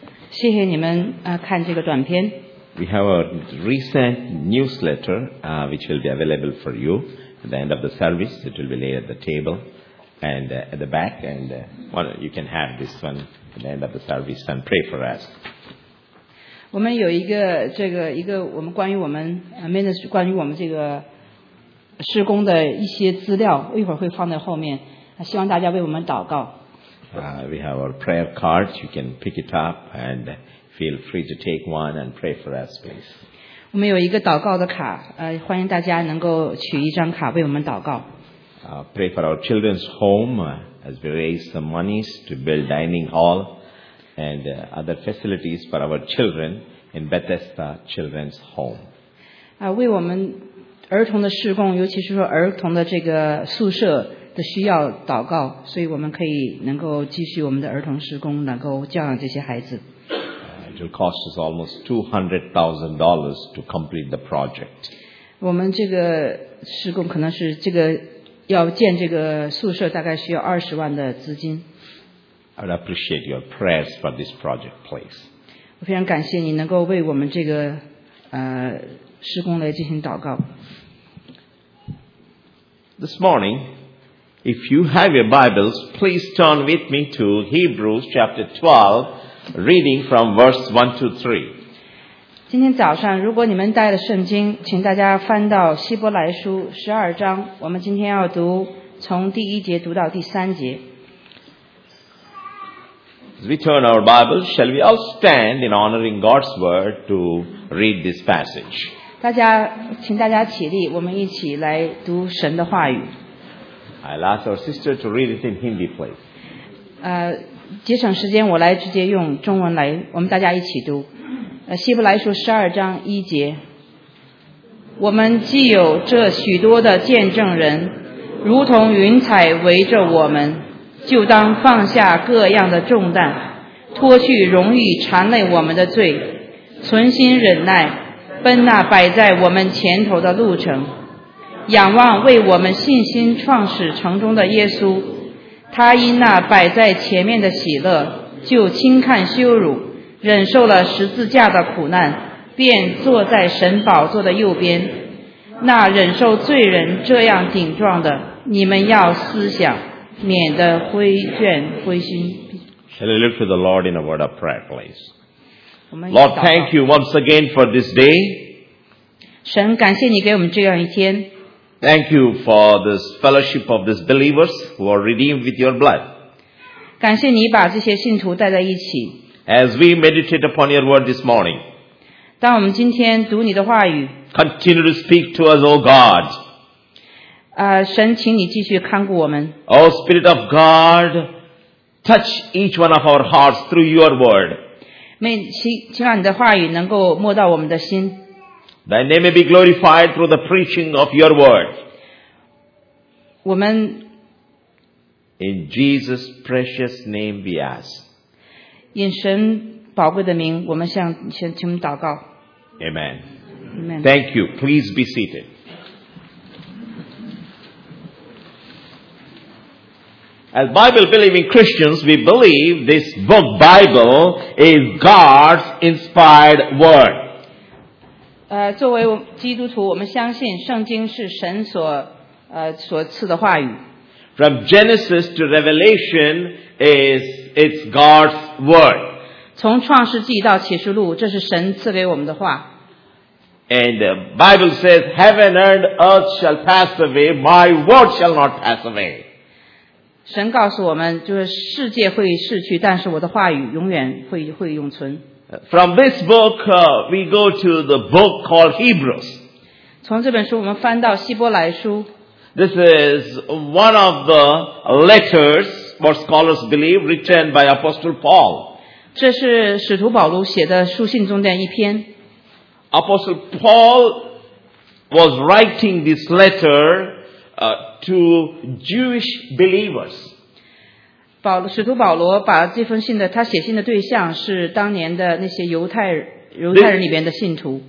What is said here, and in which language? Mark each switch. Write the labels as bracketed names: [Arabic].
[Chinese] 谢谢你们看这个短片。 [English] We have a recent newsletter which will be available for you at the end of the service. It will be laid at the table and at the back. And you can have this one at the end of the service and pray for us. [Chinese] 我们有一个这个一个我们关于我们 ministry 关于我们这个施工的一些资料，一会儿会放在后面。希望大家为我们祷告。 [English] We have our prayer cards. You can pick it up and feel free to take one and pray for us, please. [Chinese] 我们有一个祷告的卡，欢迎大家能够取一张卡为我们祷告。 [English] Pray for our children's home as we raise some monies to build dining hall and other facilities for our children in Bethesda Children's Home. [Chinese] 为我们儿童的施工，尤其是说儿童的这个宿舍。的需要祷告，所以我们可以能够继续我们的儿童施工，能够教养这些孩子。 [English] It will cost us almost $200,000 to complete the project. [Chinese] 我们这个施工可能是这个要建这个宿舍，大概需要200,000的资金。 [English] I would appreciate your prayers for this project, please. [Chinese] 我非常感谢你能够为我们这个施工来进行祷告。 [English] This morning. If you have your Bibles, please turn with me to Hebrews chapter 12, reading from verse 1 to 3. [Chinese] 今天早上，如果你们带了圣经，请大家翻到希伯来书12章。我们今天要读从第一节读到第三节。 [English] As we turn our Bibles, shall we all stand in honoring God's word to read this passage? [Chinese] 大家，请大家起立，我们一起来读神的话语。 [English] I'll ask our sister to read it in Hindi, please. [Chinese] 节省时间，我来直接用中文来，我们大家一起读。希伯来书十二章一节，我们既有这许多的见证人，如同云彩围着我们，就当放下各样的重担，脱去容易缠累我们的罪，存心忍耐，奔那摆在我们前头的路程。仰望为我们信心创始成终的耶稣，他因那摆在前面的喜乐，就轻看羞辱，忍受了十字架的苦难，便坐在神宝座的右边。那忍受罪人这样顶撞的，你们要思想，免得灰倦灰心。 [English] Shall we look to the Lord in a word of prayer, please? [Chinese] 我们 [English] Lord, thank you once again for this day. [Chinese] 神，感谢你给我们这样一天。 [English] Thank you for this fellowship of these believers who are redeemed with your blood. [Chinese] 感谢你把这些信徒带在一起。 [English] As we meditate upon your word this morning, [Chinese] 当我们今天读你的话语。 [English] Continue to speak to us, O God. [Chinese] 神，请你继续看顾我们。 [English] O Spirit of God, touch each one of our hearts through your word. [Chinese] 请让你的话语能够摸到我们的心。 [English] Thy name may be glorified through the preaching of your word. [Chinese] 我们 [English] In Jesus' precious name we ask. [Chinese] 因神宝贵的名，我们向请我们祷告。 [English] Amen. Amen. Thank you. Please be seated. As Bible-believing Christians, we believe this book, Bible, is God's inspired word. [Chinese] 作为基督徒，我们相信圣经是神所赐的话语。 [English] From Genesis to Revelation is it's God's word. [Chinese] 从创世纪到启示录，这是神赐给我们的话。 [English] And the Bible says, "Heaven and earth shall pass away, my word shall not pass away." [Chinese] 神告诉我们，就是世界会逝去，但是我的话语永远会永存。 [English] From this book, we go to the book called Hebrews. [Chinese] 从这本书我们翻到希伯来书。 [English] This is one of the letters, what scholars believe, written by Apostle Paul. [Chinese] 这是使徒保罗写的书信中的一篇。 [English] Apostle Paul was writing this letter, to Jewish believers. [Chinese] 使徒保罗把这封信的他写信的对象是当年的那些犹太人里边的信徒。